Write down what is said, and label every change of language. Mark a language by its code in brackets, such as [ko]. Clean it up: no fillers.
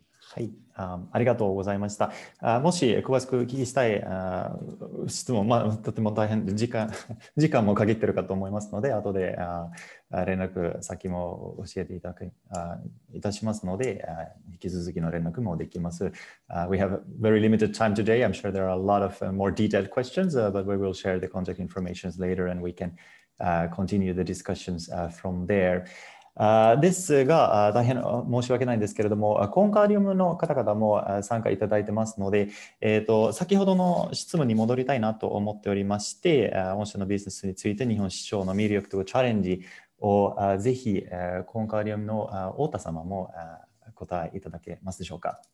[ja] はい、ありがとうございました。もし詳しく聞きしたい質問、まあ、とても大変で時間も限っているかと思いますので、後で連絡先も教えていただくいたしますので、引き続きの連絡もできます。 [en] We have very limited time today. I'm sure there are a lot of more detailed questions, but we will share the contact information later and we can continue the discussions from there. [ja] ですが、大変申し訳ないんですけれども、コンカーリウムの方々も参加いただいてますので、先ほどの質問に戻りたいなと思っておりまして、御社のビジネスについて日本市場の魅力とチャレンジをぜひコンカーリウムの太田様も答えいただけますでしょうか。